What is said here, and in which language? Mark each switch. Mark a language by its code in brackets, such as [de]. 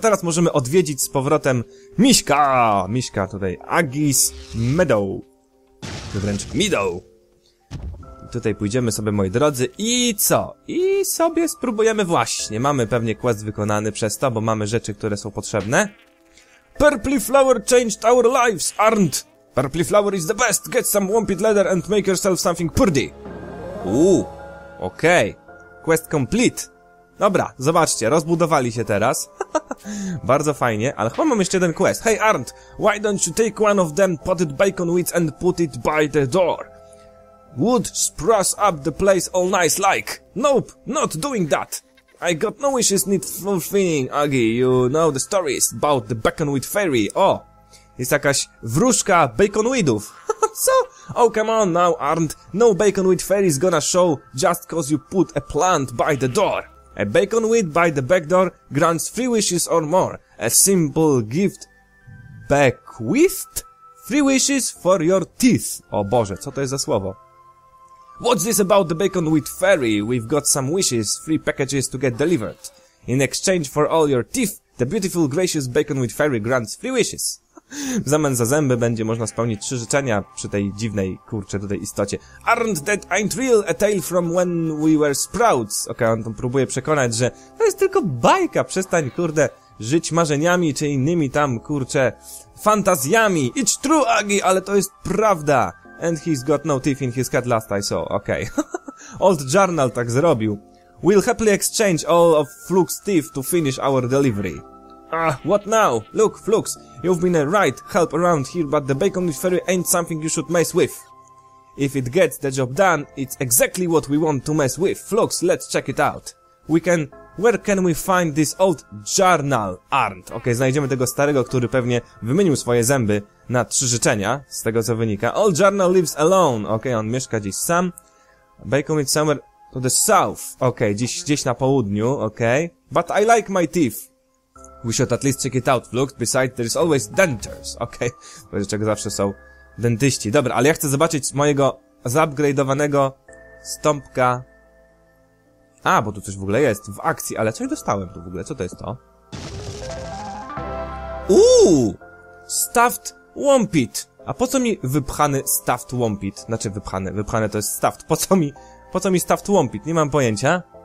[pl] Teraz możemy odwiedzić z powrotem Miśka! Miśka tutaj, Agis Meadow. Wręcz Meadow. Tutaj pójdziemy sobie, moi drodzy, i co? I sobie spróbujemy właśnie. Mamy pewnie quest wykonany przez to, bo mamy rzeczy, które są potrzebne. [en] Purple flower changed our lives, aren't? Purple flower is the best. Get some wompit leather and make yourself something pretty. Okej. Okay. Quest complete. [pl] Dobra, zobaczcie, rozbudowali się teraz. Bardzo fajnie, ale chyba mam jeszcze jeden quest. [en] Hey Arndt, why don't you take one of them potted bacon wits and put it by the door? Would spruce up the place all nice like. Nope, not doing that. I got no wishes need fulfilling, Aggie. You know the stories about the bacon wit fairy. [pl] O, jest jakaś wróżka bacon witów. Co? [en] Oh, come on now, Arndt. No bacon wit fairy is gonna show just cause you put a plant by the door. A bacon wit by the back door grants three wishes or more. A simple gift bequeathed? Three wishes for your teeth. [pl] O Boże, co to jest za słowo? [en] What's this about the bacon wit fairy? We've got some wishes, three packages to get delivered. In exchange for all your teeth, the beautiful gracious bacon wit fairy grants three wishes. [pl] W zamian za zęby będzie można spełnić trzy życzenia przy tej dziwnej, kurczę, tutaj istocie. [en] Aren't that ain't real a tale from when we were sprouts? [pl] Okej, on tam próbuje przekonać, że to jest tylko bajka. Przestań, kurde, żyć marzeniami czy innymi tam, kurczę, fantazjami. [en] It's true, Aggie, [pl] ale to jest prawda. [en] And he's got no teeth in his cat last I saw. Okej. Old Journal [pl] tak zrobił. [en] We'll happily exchange all of Fluke's teeth to finish our delivery. What now? Look, Flux, you've been a right help around here, but the bacon with fairy ain't something you should mess with. If it gets the job done, it's exactly what we want to mess with. Flux, let's check it out. Where can we find this old journal, Arndt? [pl] Okay, znajdziemy tego starego, który pewnie wymienił swoje zęby na trzy życzenia, z tego co wynika. [en] Old journal lives alone. Okay, [pl] on mieszka gdzieś sam. [en] Bacon with summer to the south. [pl] Okay, gdzieś na południu. [en] Okay. But I like my teeth. We should at least check it out, Flux. Besides, there is always dentists. Okay. [pl] Bo czego zawsze są dentyści. Dobra, ale ja chcę zobaczyć mojego zaupgrade'owanego stąpka. A, bo tu coś w ogóle jest w akcji, ale coś dostałem tu w ogóle. Co to jest to? Uuu! Stuffed Wompit. A po co mi wypchany Stuffed Wompit? Znaczy wypchany. Wypchany to jest Stuffed. Po co mi Stuffed Wompit? Nie mam pojęcia.